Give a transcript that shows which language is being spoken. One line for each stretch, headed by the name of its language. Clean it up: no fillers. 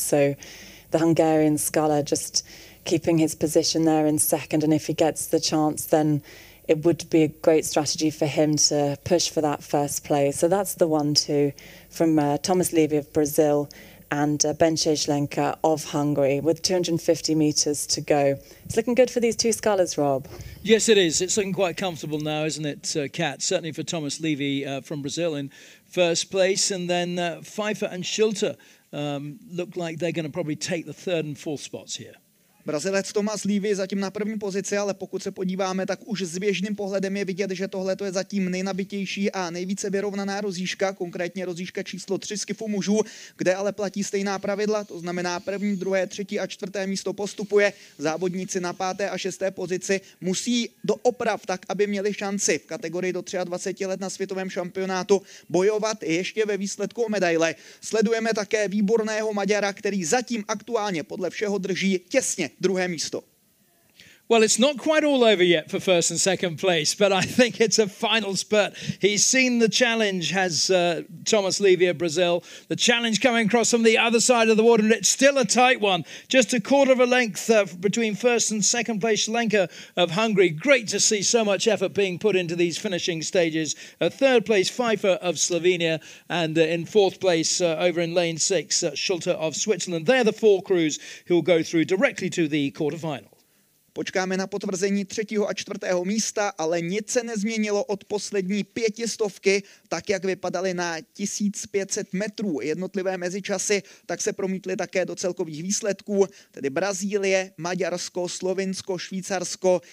English: So the Hungarian sculler just keeping his position there in second, and if he gets the chance, then it would be a great strategy for him to push for that first place. So that's the 1-2 from Thomas Levy of Brazil and Bence Schlenka of Hungary with 250 metres to go. It's looking good for these two scholars, Rob. Yes, it is. It's looking quite comfortable now, isn't it, Kat? Certainly for Thomas Levy from Brazil in first place. And then Pfeiffer and Schulter look like they're going to probably take the third and fourth spots here.
Czech: Brazilec Thomas Levy je zatím na první pozici, ale pokud se podíváme, tak už s běžným pohledem je vidět, že tohle je zatím nejnabitější a nejvíce vyrovnaná rozjížka, konkrétně rozjížka číslo 3 skifu mužů, kde ale platí stejná pravidla, to znamená první, druhé, třetí a čtvrté místo postupuje. Závodníci na páté a šesté pozici musí doopravd tak, aby měli šanci v kategorii do 23 let na světovém šampionátu bojovat ještě ve výsledku o medaile. Sledujeme také výborného Maďara, který zatím aktuálně podle všeho drží těsně druhé místo.
English: Well, it's not quite all over yet for first and second place, but I think it's a final spurt. He's seen the challenge, has Thomas Levy of Brazil. The challenge coming across from the other side of the water, and it's still a tight one. Just a quarter of a length between first and second place Schlenka of Hungary. Great to see so much effort being put into these finishing stages. A third place Pfeiffer of Slovenia, and in fourth place over in lane six, Schulter of Switzerland. They're the four crews who will go through directly to the quarterfinals.
Czech: Počkáme na potvrzení třetího a čtvrtého místa, ale nic se nezměnilo od poslední pětistovky. Tak, jak vypadaly na 1500 metrů jednotlivé mezičasy, tak se promítly také do celkových výsledků, tedy Brazílie, Maďarsko, Slovinsko, Švýcarsko.